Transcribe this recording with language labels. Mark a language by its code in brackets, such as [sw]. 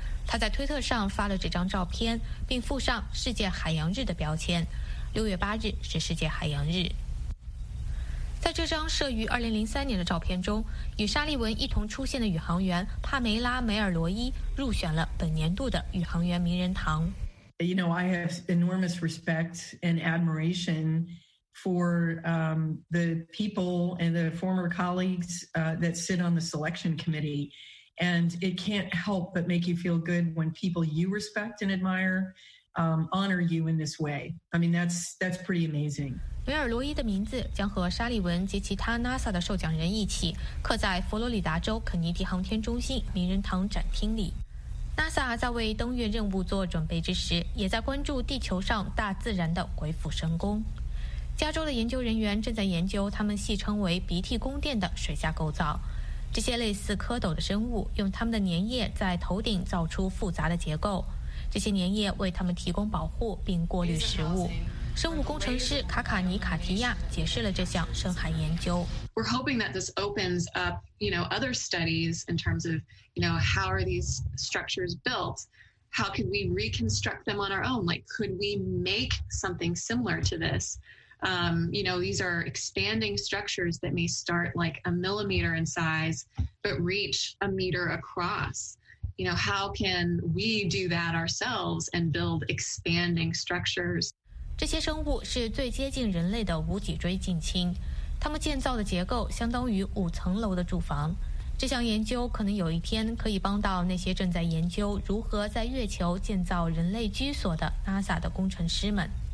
[zh] 她在推特上发了这张照片，并附上世界海洋日的标签。 6月8日是世界海洋日。在这张摄于2003年的照片中，与沙利文一同出现的宇航员帕梅拉·梅尔罗伊入选了本年度的宇航员名人堂。 [en] You know, I have enormous respect and admiration for the people and the former colleagues that sit on the selection committee, and it can't help but make you feel good when people you respect and admire honor you in this way. I mean, that's pretty amazing. [zh] 梅尔罗伊的名字将和沙利文及其他 NASA 的受奖人一起刻在佛罗里达州肯尼迪航天中心名人堂展厅里。 NASA 在为登月任务做准备之时，也在关注地球上大自然的鬼斧神工。加州的研究人员正在研究他们戏称为鼻涕宫殿的水下构造，这些类似蝌蚪的生物用他们的粘液在头顶造出复杂的结构，这些粘液为他们提供保护并过滤食物。生物工程师卡卡尼卡提亚解释了这项深海研究。 [en] We're hoping that this opens up, you know, other studies in terms of, you know, how are these structures built? How can we reconstruct them on our own? Like, could we make something similar to this? You know, these are expanding structures that may start like a millimeter in size, but reach a meter across. You know, how can we do that ourselves and build expanding structures? [zh] 这些生物是最接近人类的无脊椎近亲，它们建造的结构相当于五层楼的住房。这项研究可能有一天可以帮到那些正在研究如何在月球建造人类居所的 NASA 的工程师们。